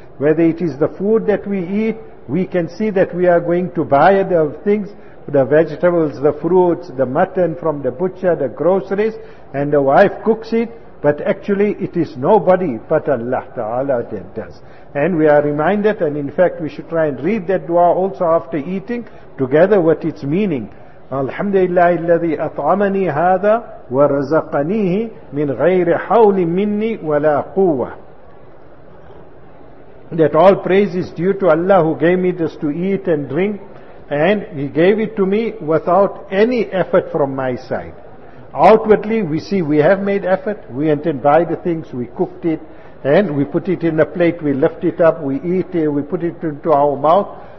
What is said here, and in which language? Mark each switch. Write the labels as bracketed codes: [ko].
[en] Whether it is the food that we eat, we can see that we are going to buy the things, the vegetables, the fruits, the mutton from the butcher, the groceries, and the wife cooks it, but actually it is nobody but Allah Ta'ala that does. And we are reminded, and in fact we should try and read that dua also after eating, together with its meaning. [ar] الحمد لله الذي أطعمني هذا ورزقنيه من غير حول مني ولا قوة. [en] That all praise is due to Allah who gave me this to eat and drink, and He gave it to me without any effort from my side. Outwardly we see we have made effort, we went and buy the things, we cooked it, and we put it in a plate, we lift it up, we eat it, we put it into our mouth.